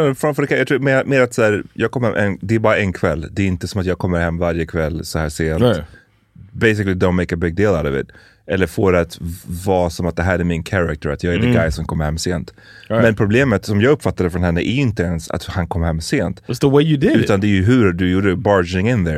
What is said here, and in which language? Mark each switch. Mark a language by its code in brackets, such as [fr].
[sv] No, framför det kan jag tror mer att så här, jag kommer hem, det är bara en kväll. Det är inte som att jag kommer hem varje kväll så här sent. Nej. [en] Basically, don't make a big deal out of it. [sv] Eller få det att vara som att det här är min character, att jag är the guy som kommer hem sent. Right. Men problemet som jag uppfattade från henne är inte ens att han kommer hem sent. [en] It's the way you did [sv] utan [en] it. [sv] Utan det är ju hur du gjorde barging in there.